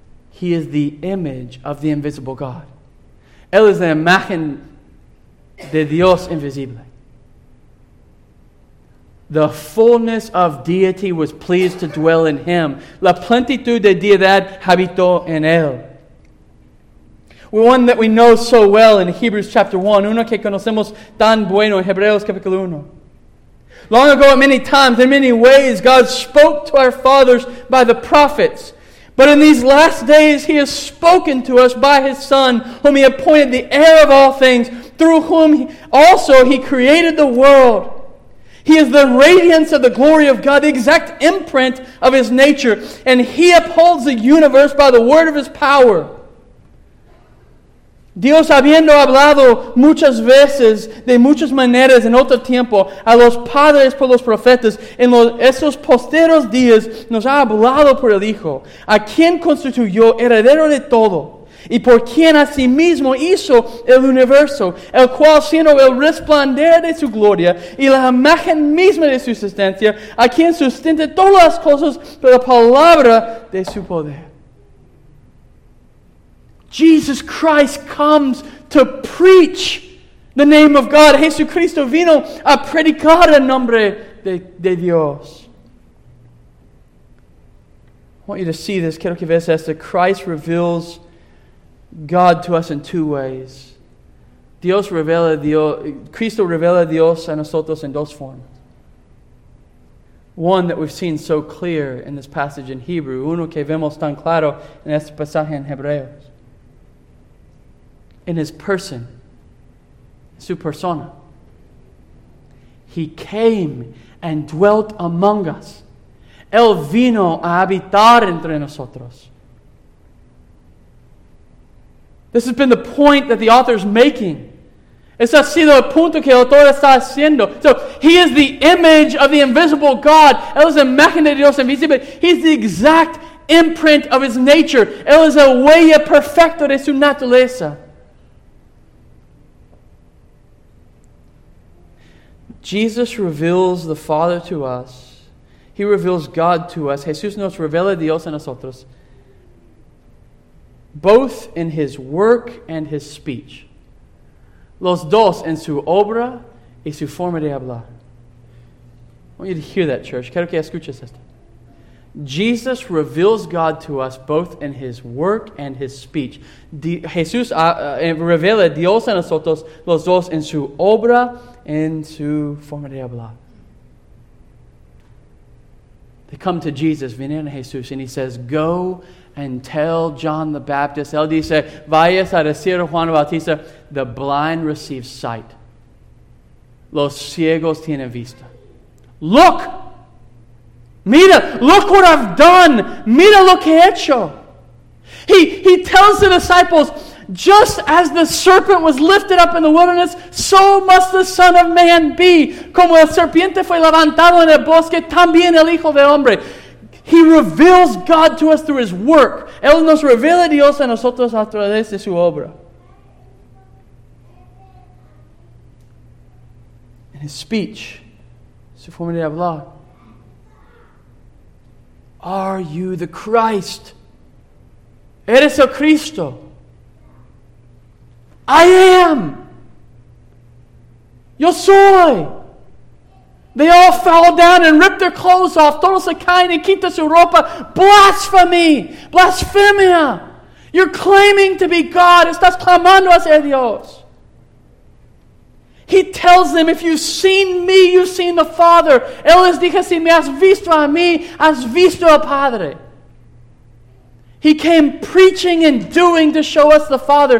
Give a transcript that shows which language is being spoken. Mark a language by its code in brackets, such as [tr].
[en] He is the image of the invisible God. [es] Él es la imagen de Dios invisible. [en] The fullness of deity was pleased to dwell in him. [es] La plenitud de deidad habitó en él. [en] One that we know so well in Hebrews chapter 1. [es] Uno que conocemos tan bueno en Hebreos capítulo 1. [en] Long ago, at many times, in many ways, God spoke to our fathers by the prophets. But in these last days, he has spoken to us by his Son, whom he appointed the heir of all things, through whom also he created the world. He is the radiance of the glory of God, the exact imprint of his nature, and he upholds the universe by the word of his power. [es] Dios habiendo hablado muchas veces, de muchas maneras en otro tiempo, a los padres por los profetas, en esos posteros días nos ha hablado por el Hijo, a quien constituyó heredero de todo, y por quien asimismo hizo el universo, el cual siendo el resplandor de su gloria, y la imagen misma de su existencia, a quien sustenta todas las cosas por la palabra de su poder. [en] Jesus Christ comes to preach the name of God. [es] Jesucristo vino a predicar el nombre de Dios. [en] I want you to see this. [es] Quiero que veas esto. [en] Christ reveals God to us in two ways. [es] Cristo revela a Dios a nosotros en dos formas. [en] One that we've seen so clear in this passage in Hebrew. [es] Uno que vemos tan claro en este pasaje en Hebreos. [en] In his person, [es] su persona. [en] He came and dwelt among us. [es] Él vino a habitar entre nosotros. [en] This has been the point that the author is making. [es] Ese ha sido el punto que el autor está haciendo. [en] So, he is the image of the invisible God. [es] Él es la imagen de Dios invisible. [en] He's the exact imprint of his nature. [es] Él es la huella perfecta de su naturaleza. [en] Jesus reveals the Father to us. He reveals God to us. [es] Jesús nos revela a Dios a nosotros. [en] Both in his work and his speech. [es] Los dos en su obra y su forma de hablar. [en] I want you to hear that, church. [es] Quiero que escuches esto. [en] Jesus reveals God to us both in his work and his speech. [es] Jesús revela a Dios a nosotros los dos en su obra en su forma de hablar. [en] They come to Jesus, [es] vienen a Jesús, [en] and he says, go and tell John the Baptist. [es] Él dice, vayas a decir a Juan Bautista, [en] the blind receive sight. [es] Los ciegos tienen vista. [en] Look! [es] Mira, [en] look what I've done. [es] Mira lo que he hecho. [en] He tells the disciples, just as the serpent was lifted up in the wilderness, so must the Son of Man be. [es] Como la serpiente fue levantado en el bosque, también el Hijo del Hombre. [en] He reveals God to us through his work. [es] Él nos revela Dios a nosotros a través de su obra. [en] In his speech, [es] su forma de hablar. [en] Are you the Christ? [es] Eres el Cristo. [en] I am. [es] Yo soy. [en] They all fell down and ripped their clothes off. [es] Todos se caen y quitan su ropa. [en] Blasphemy. [es] Blasphemia. [en] You're claiming to be God. [es] Estás clamando a ser Dios. [en] He tells them, if you've seen me, you've seen the Father. [es] Él les dijo, si me has visto a mí, has visto al Padre. [en] He came preaching and doing to show us the Father.